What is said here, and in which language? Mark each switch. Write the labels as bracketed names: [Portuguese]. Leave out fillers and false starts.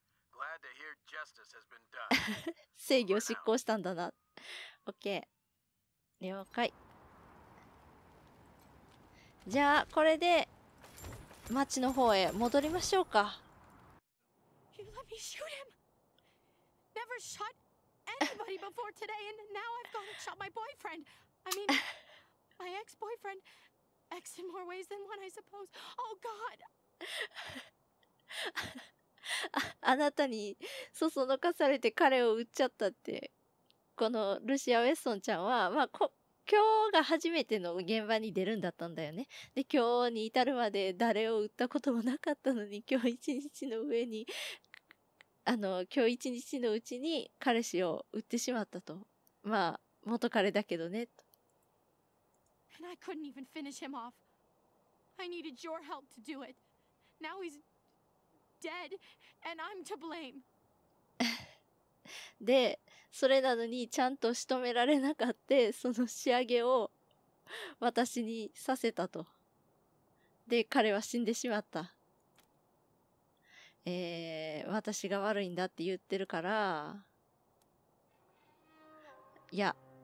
[English] Glad to hear justice has been done. [Japanese] 正義を執行したんだな。 OK。 了解。じゃあ、これで、町の方へ戻りましょうか。 [English] You let me shoot him! Never shot anybody before today, and now I've gone and shot my boyfriend! I mean, my ex-boyfriend, ex in more ways than one, I suppose. Oh, God! [Japanese] あなたにそそのかされて彼を撃っちゃったって。このルシア・ウェッソンちゃんは、まあ、今日が初めての現場に出るんだったんだよね。で、今日に至るまで誰を撃ったこともなかったのに、今日一日の上に、今日一日のうちに彼氏を撃ってしまったと。まあ、元彼だけどね、と。 [English] And I couldn't even finish him off. I needed your help to do it. Now he's dead, and I'm to blame. [Japanese] で、それなのにちゃんと仕留められなかった、その仕上げを私にさせたと。で、彼は死んでしまった。私が悪いんだって言ってるから、いや。